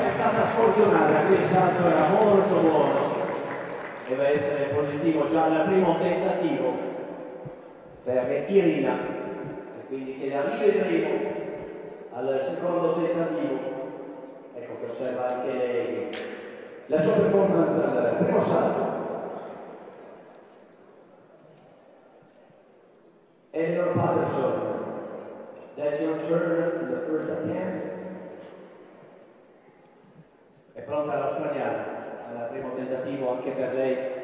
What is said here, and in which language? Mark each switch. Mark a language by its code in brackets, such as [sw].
[it] Il salto era molto buono, deve essere positivo già al primo tentativo per Irina, e quindi che la rivedremo al secondo tentativo. Ecco che osserva anche lei la sua performance al primo salto. [en] Eleanor Patterson, that's your turn in the first attempt. [it] È pronta l'australiana, al primo tentativo anche per lei.